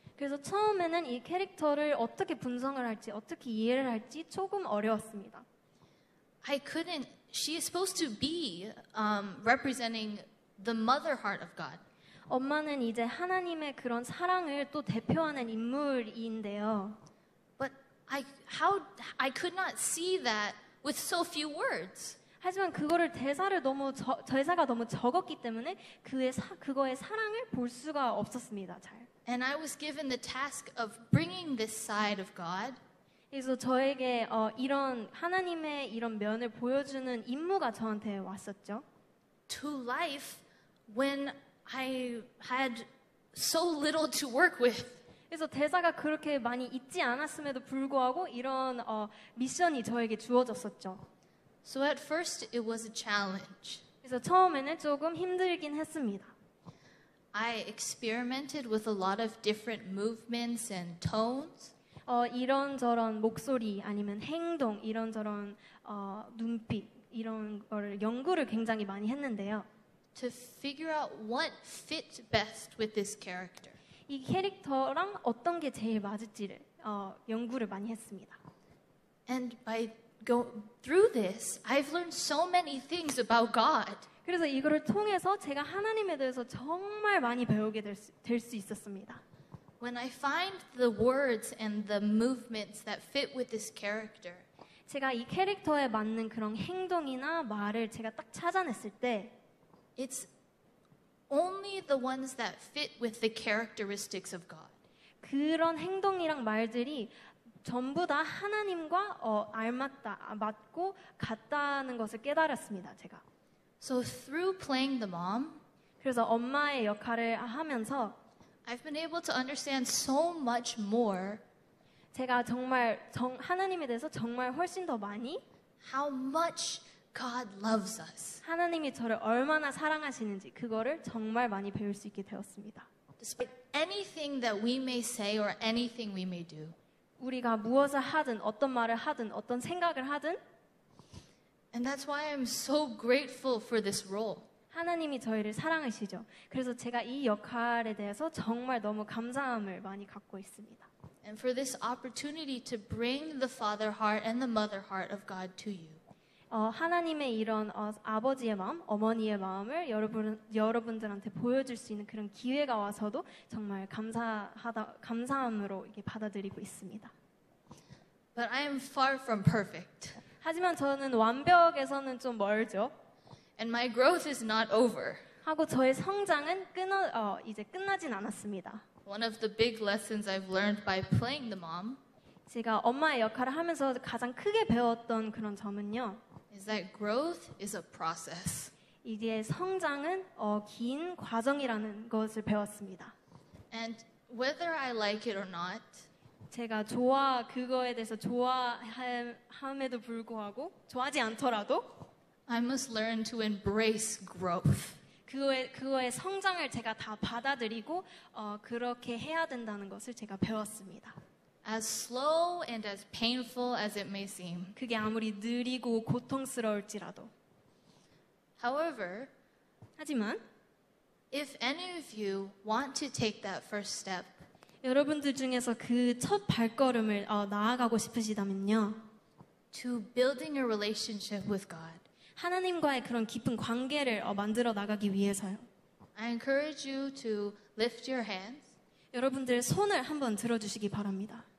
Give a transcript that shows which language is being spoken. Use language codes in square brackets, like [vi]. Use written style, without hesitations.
[ko] 그래서 처음에는 이 캐릭터를 어떻게 분석을 할지, 어떻게 이해를 할지 조금 어려웠습니다. [en] I couldn't. She is supposed to be representing the mother heart of God. [ko] 엄마는 이제 하나님의 그런 사랑을 또 대표하는 인물인데요. [en] I could not see that with so few words. [ko] 하지만 그거를 대사를 너무 대사가 너무 적었기 때문에 그거의 사랑을 볼 수가 없었습니다. 잘. [en] And I was given the task of bringing this side of God. [ko] 그래서 저에게 이런 하나님의 이런 면을 보여주는 임무가 저한테 왔었죠. [en] To life when I had so little to work with. [ko] 그래서 대사가 그렇게 많이 있지 않았음에도 불구하고 이런 미션이 저에게 주어졌었죠. [en] So at first it was a challenge. [ko] 그래서 처음에는 조금 힘들긴 했습니다. [en] I experimented with a lot of different movements and tones. [ko] 이런저런 목소리 아니면 행동 이런저런 눈빛 이런 거를 연구를 굉장히 많이 했는데요. [en] To figure out what fit best with this character. [ko] 이 캐릭터랑 어떤 게 제일 맞을지를 연구를 많이 했습니다. [en] And by go through this, I've learned so many things about God. [ko] 그래서 이거를 통해서 제가 하나님에 대해서 정말 많이 배우게 될 수 있었습니다. [en] When I find the words and the movements that fit with this character, [ko] 제가 이 캐릭터에 맞는 그런 행동이나 말을 제가 딱 찾아냈을 때, [en] it's Only the ones that fit with the characteristics of God. [ko] 그런 행동이랑 말들이 전부 다 하나님과 맞고 같다는 것을 깨달았습니다, 제가. [en] So through playing the mom, [ko] 그래서 엄마의 역할을 하면서 [en] I've been able to understand so much more [ko] 제가 정말 하나님에 대해서 정말 훨씬 더 많이 [en] how much God loves us. [ko] 하나님이 저를 얼마나 사랑하시는지 그거를 정말 많이 배울 수 있게 되었습니다. [en] Despite anything that we may say or anything we may do. [ko] 우리가 무엇을 하든 어떤 말을 하든 어떤 생각을 하든 [en] And that's why I'm so grateful for this role. [ko] 하나님이 저희를 사랑하시죠. 그래서 제가 이 역할에 대해서 정말 너무 감사함을 많이 갖고 있습니다. [en] And for this opportunity to bring the father heart and the mother heart of God to you. [ko] 하나님의 이런 아버지의 마음, 어머니의 마음을 여러분들한테 보여줄 수 있는 그런 기회가 와서도 정말 감사함으로 이게 받아들이고 있습니다. [en] But I am far from perfect. [ko] 하지만 저는 완벽에서는 좀 멀죠. [en] And my growth is not over. [ko] 하고 저의 성장은 이제 끝나진 않았습니다. [en] One of the big lessons I've learned by playing the mom. [ko] 제가 엄마의 역할을 하면서 가장 크게 배웠던 그런 점은요. [en] Is that growth is a process. [ko] 이제 성장은 긴 과정이라는 것을 배웠습니다. [en] And whether I like it or not, [ko] 제가 그거에 대해서 좋아함에도 불구하고 좋아하지 않더라도 [en] I must learn to embrace growth. [ko] 그거의 성장을 제가 다 받아들이고 그렇게 해야 된다는 것을 제가 배웠습니다. [en] As slow and as painful as it may seem. [ko] 그게 아무리 느리고 고통스러울지라도. [en] However, [ko] 하지만 [en] if any of you want to take that first step, [ko] 여러분들 중에서 그 첫 발걸음을 나아가고 싶으시다면요. [en] To building a relationship with God. [ko] 하나님과의 그런 깊은 관계를 만들어 나가기 위해서요. [en] I encourage you to lift your hands. [ko] 여러분들 손을 한번 들어 주시기 바랍니다.